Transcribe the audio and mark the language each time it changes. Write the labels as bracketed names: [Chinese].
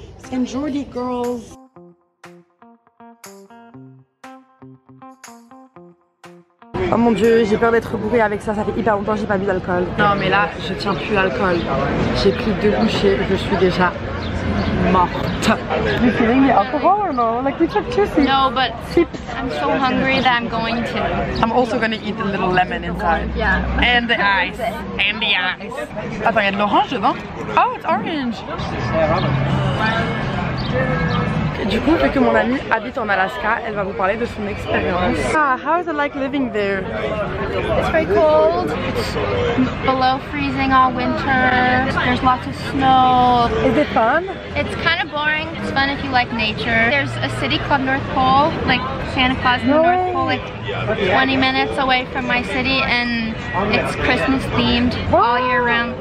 [English] Saint-Jordi, girls. [French] Oh mon dieu, j'ai peur d'être bourrée avec ça, ça fait hyper longtemps que j'ai pas bu d'alcool. Non mais là, je tiens plus l'alcool. J'ai pris deux bouchées, je suis déjà morte. [English] You're feeling the alcohol or no? Like, you took two sips. No, but I'm so hungry that I'm going to. I'm also gonna eat the little lemon inside. Yeah. And the ice. And the ice. [French] Attends, y'a de l'orange dedans? [English] Oh, it's orange. [French] Du coup, vu que mon amie habite en Alaska, elle va vous parler de son expérience. [English] Ah, how is it like living there? It's very cold. It's below freezing all winter. There's lots of snow. Is it fun? It's kind of boring. It's fun if you like nature. There's a city called North Pole, like Santa Claus in the North Pole, like 20 minutes away from my city, and it's Christmas themed all year round.